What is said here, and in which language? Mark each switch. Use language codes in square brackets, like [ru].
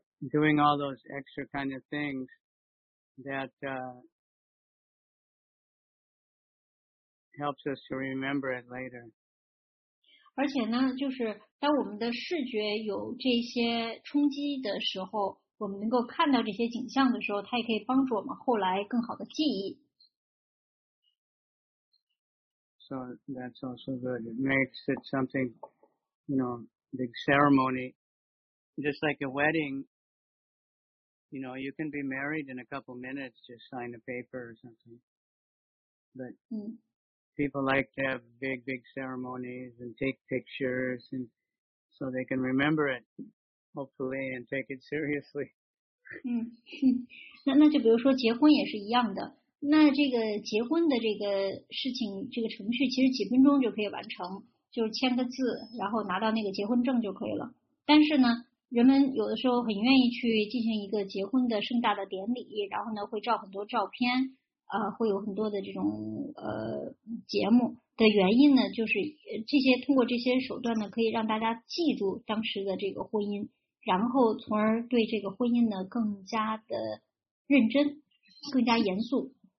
[en] Doing all those extra kind of things that helps us to remember it later. [zh] 而且呢，就是当我们的视觉有这些冲击的时候，我们能够看到这些景象的时候，它也可以帮助我们后来更好的记忆。 [en] So that's also good. It makes it something, you know, big ceremony. Just like a wedding, you know, you can be married in a couple minutes, just sign a paper or something. But people like to have big, big ceremonies and take pictures and so they can remember it, hopefully, and take it seriously. [zh] 那就比如说结婚也是一样的。那这个结婚的这个事情，这个程序其实几分钟就可以完成，就是签个字，然后拿到那个结婚证就可以了。但是呢人们有的时候很愿意去进行一个结婚的盛大的典礼，然后呢会照很多照片，会有很多的这种节目的原因呢，就是这些通过这些手段呢，可以让大家记住当时的这个婚姻，然后从而对这个婚姻呢更加的认真，更加严肃。